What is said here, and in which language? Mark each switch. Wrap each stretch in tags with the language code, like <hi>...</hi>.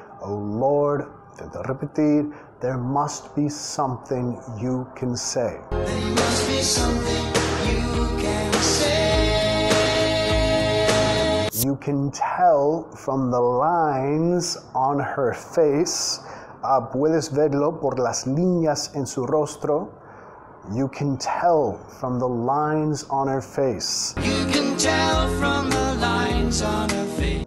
<en>Oh Lord,</en> <es>intento repetir,</es> <en>there must be something you can say. There must be something you can say. You can tell from the lines on her face.</en> <es>Puedes verlo por las líneas en su rostro.</es> <en>You can tell from the lines on her face. You can tell from the lines on her face.</en>